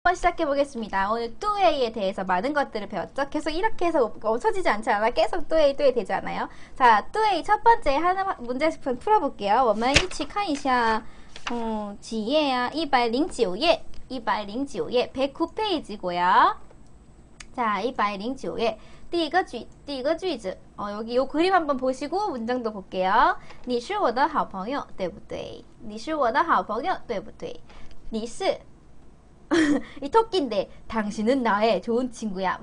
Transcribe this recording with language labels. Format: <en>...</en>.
<ko>한번 시작해보겠습니다. 오늘 2A에 대해서 많은 것들을 배웠죠. 계속 이렇게 해서 없어지지 않잖아. 계속 2A 되잖아요. 자, 2A 첫 번째 하나 문제식품 풀어볼게요.</ko> <zh>我们一起看一下，嗯，几页啊？109页，109页，</zh> <ko>109페이지고요. 자, 109页.</ko> <zh>第一个句子,</zh> <ko>여기 요 그림 한번 보시고 문장도 볼게요.</ko> <zh>你是我的好朋友,对不对?你是我的好朋友,对不对? 你是</zh> <ko>이 토끼인데 당신은 나의 좋은 친구야.</ko>